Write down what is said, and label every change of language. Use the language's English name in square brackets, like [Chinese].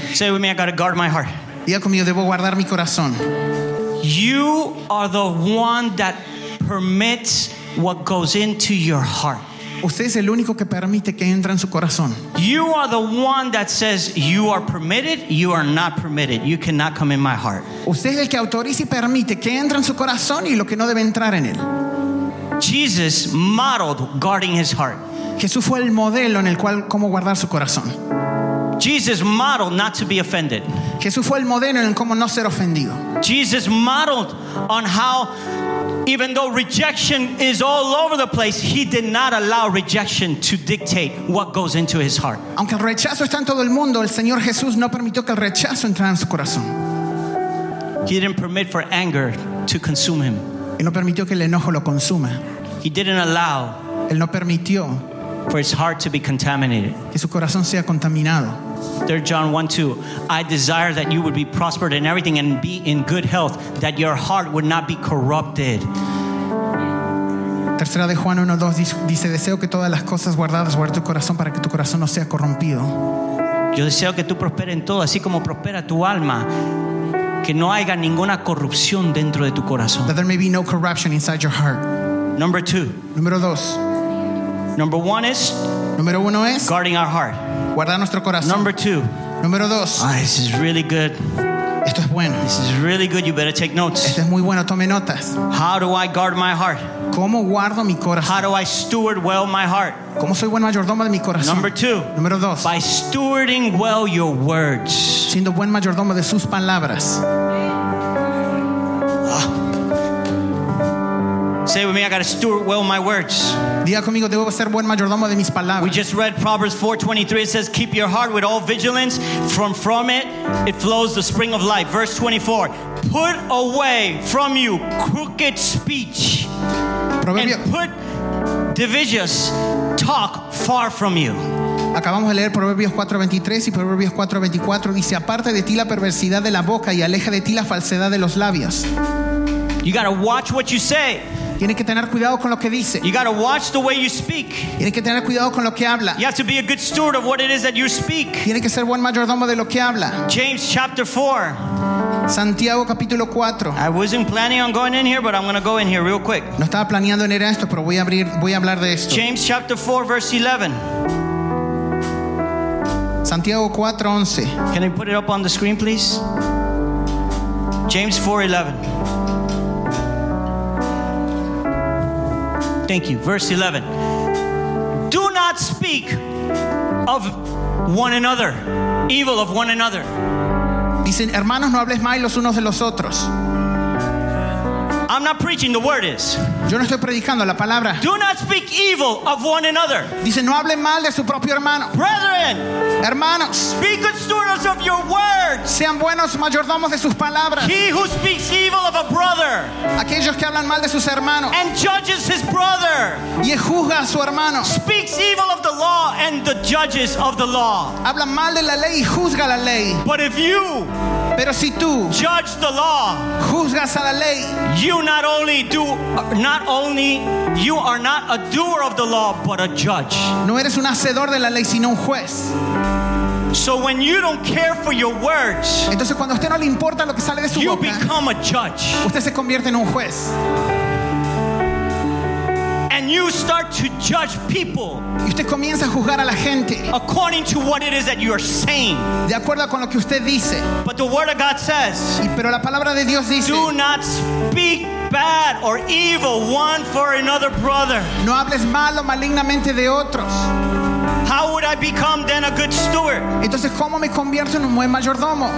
[English] Say with me, I got to guard my heart. [Spanish] Diga conmigo, debo guardar mi corazón. [English] You are the one that permits what goes into your heart. [Spanish] Usted es el único que permite que entre en su corazón. [English] You are the one that says you are permitted, you are not permitted, you cannot come in my heart. [Spanish] Usted es el que autoriza y permite que entre en su corazón y lo que no debe entrar en él. [English] Jesus modeled guarding his heart. [Spanish] Jesús fue el modelo en el cual cómo guardar su corazón. [English] Jesus modeled not to be offended. [Spanish] Jesús fue el modelo en cómo no ser ofendido. [English] Jesus modeled on how, even though rejection is all over the place, he did not allow rejection to dictate what goes into his heart. [Spanish] Aunque el rechazo está en todo el mundo, el Señor Jesús no permitió que el rechazo entrara en su corazón. [English] He didn't permit for anger to consume him. [Spanish] Él no permitió que el enojo lo consuma. [English] He didn't allow. [Spanish] Él no permitió. [English] For his heart to be contaminated. [Spanish] Que su corazón sea contaminado. [English] 3 John 1:2. I desire that you would be prospered in everything and be in good health, that your heart would not be corrupted. [Spanish] Tercera de Juan 1:2 dice, deseo que todas las cosas guardadas guarde tu corazón para que tu corazón no sea corrompido. Yo deseo que tú prosperes en todo, así como prospera tu alma. Que no haya ninguna corrupción dentro de tu corazón. [English] That there may be no corruption inside your heart. Number 2. [Spanish] Número 2. [English] Number one is, [Spanish] número uno es [English] guarding our heart. [Spanish] Guardar nuestro corazón. [English] Number two. [Spanish] Número dos. [English] Ah, this is really good. [Spanish] Esto es bueno. [English] This is really good. You better take notes. [Spanish] Esto es muy bueno. Tome notas. [English] How do I guard my heart? [Spanish] ¿Cómo guardo mi corazón? [English] How do I steward well my heart? [Spanish] ¿Cómo soy buen mayordomo de mi corazón? [English] Number two. [Spanish] Número dos. [English] By stewarding well your words. [Spanish] Siendo buen mayordomo de sus palabras. [English] Say with me, I got to steward well my words. [Spanish] Diga conmigo, debo ser buen mayordomo de mis palabras. [English] We just read Proverbs 4:23. It says, keep your heart with all vigilance. From it, it flows the spring of life. Verse 24, put away from you crooked speech. [Spanish] Proverbio. [English] And put divisious talk far from you. [Spanish] Acabamos de leer Proverbios 4:23 y Proverbios 4:24. Dice, aparte de ti la perversidad de la boca y aleja de ti la falsedad de los labios. [English] You got to watch what you say. [Spanish] Tiene que tener cuidado con lo que dice. [English] You got to watch the way you speak. [Spanish] Tiene que tener cuidado con lo que habla. [English] You have to be a good steward of what it is that you speak. [Spanish] Tiene que ser buen mayordomo de lo que habla. [English] James chapter 4. [Spanish] Santiago capítulo 4. [English] I wasn't planning on going in here, but I'm going to go in here real quick. [Spanish] No estaba planeando en ir a esto, pero voy a hablar de esto. [English] James chapter 4 verse 11. [Spanish] Santiago 4:11. [English] Can you put it up on the screen, please? James 4:11. Thank you. Verse 11. Do not speak of one another, evil of one another. [Spanish] Dicen, hermanos, no hables mal los unos de los otros. [English] I'm not preaching, the word is. [Spanish] Yo no estoy predicando, la palabra. [English] Do not speak evil of one another. [Spanish] Dice, no hablen mal de su propio hermano. [English] Brethren, [Spanish] hermanos, [English] be good stewards of your words. [Spanish] Sean buenos mayordomos de sus palabras. [English] He who speaks evil of a brother, [Spanish] aquellos que hablan mal de sus hermanos, [English] and judges his brother, [Spanish] y juzga a su hermano, [English] speaks evil of the law and the judges of the law. [Spanish] Habla mal de la ley y juzga la ley. [English] But if you, [Spanish] pero si tú, [English] judge the law, [Spanish] juzgas a la ley, [English] you not only do, not only you are not a doer of the law, but a judge. [Spanish] No eres un hacedor de la ley, sino un juez. [English] So when you don't care for your words, [Spanish] entonces cuando a usted no le importa lo que sale de su boca, [English] you become a judge. [Spanish] Usted se convierte en un juez. [English] You start to judge people. [Spanish] Y usted comienza a juzgar a la gente. [English] According to what it is that you are saying. [Spanish] De acuerdo con lo que usted dice. [English] But the word of God says. [Spanish] Y pero la palabra de Dios dice. [English] Do not speak bad or evil one for another brother. [Spanish] No hables mal o malignamente de otros. [English] How would I become then a good steward? [Spanish] Entonces, ¿cómo me convierto en un buen mayordomo?